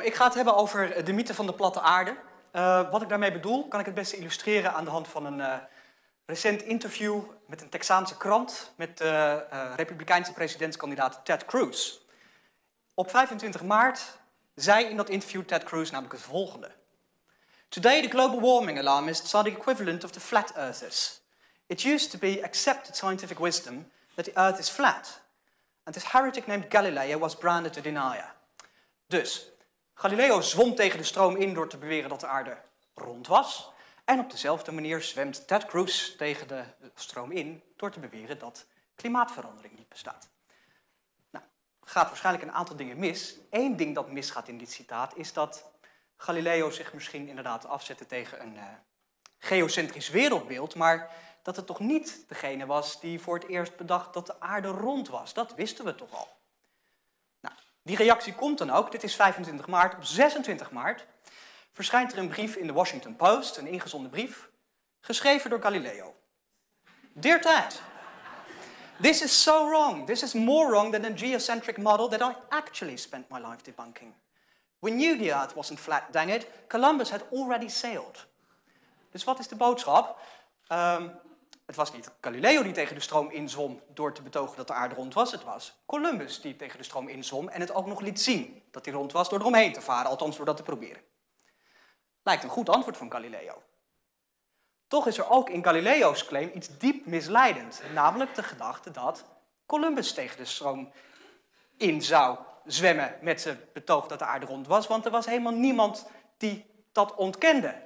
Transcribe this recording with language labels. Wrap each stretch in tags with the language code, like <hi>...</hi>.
<nl>Ik ga het hebben over de mythe van de platte aarde. Wat ik daarmee bedoel, kan ik het beste illustreren aan de hand van een recent interview met een Texaanse krant met de Republikeinse presidentskandidaat Ted Cruz. Op 25 maart zei in dat interview Ted Cruz namelijk het volgende.</nl> <en>Today the global warming alarmists are the equivalent of the flat earthers. It used to be accepted scientific wisdom that the earth is flat. And this heretic named Galileo was branded a denier.</en> <nl>Dus, Galileo zwom tegen de stroom in door te beweren dat de aarde rond was. En op dezelfde manier zwemt Ted Cruz tegen de stroom in door te beweren dat klimaatverandering niet bestaat. Nou, gaat waarschijnlijk een aantal dingen mis. Eén ding dat misgaat in dit citaat is dat Galileo zich misschien inderdaad afzette tegen een geocentrisch wereldbeeld, maar dat het toch niet degene was die voor het eerst bedacht dat de aarde rond was. Dat wisten we toch al. Nou, die reactie komt dan ook. Dit is 25 maart. Op 26 maart verschijnt er een brief in de Washington Post, een ingezonden brief, geschreven door Galileo.</nl> <en>Dear Ted, this is so wrong. This is more wrong than a geocentric model that I actually spent my life debunking. We knew the earth wasn't flat, dang it. Columbus had already sailed.</en> <nl>Dus wat is de boodschap? Het was niet Galileo die tegen de stroom inzwom door te betogen dat de aarde rond was. Het was Columbus die tegen de stroom inzwom en het ook nog liet zien dat hij rond was door eromheen te varen, althans door dat te proberen. Lijkt een goed antwoord van Galileo. Toch is er ook in Galileo's claim iets diep misleidend, namelijk de gedachte dat Columbus tegen de stroom in zou zwemmen met zijn betoog dat de aarde rond was, want er was helemaal niemand die dat ontkende.</nl>